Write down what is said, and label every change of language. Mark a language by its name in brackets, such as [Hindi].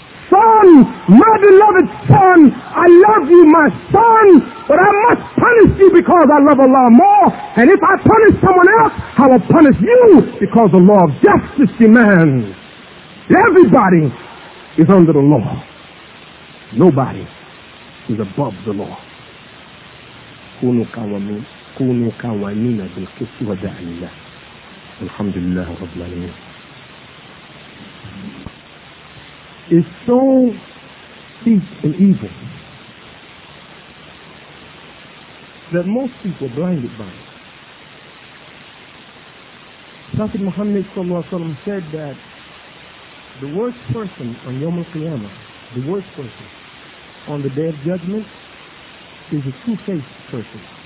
[English] Son, my beloved son, I love you, my son, but I must punish you because I love Allah more. And if I punish someone else, I will punish you because the law of justice demands. Everybody is under the law. Nobody is above the law. [Arabic] كونوا قوامين بالقسط ودع لله الحمد لله رب العالمين. [English] It's so deep and evil that most people are blinded by it. Prophet Muhammad sallallahu alaihi wasallam said that the worst person on Yawm al-Qiyamah, the worst person on the Day of Judgment, is a two-faced person.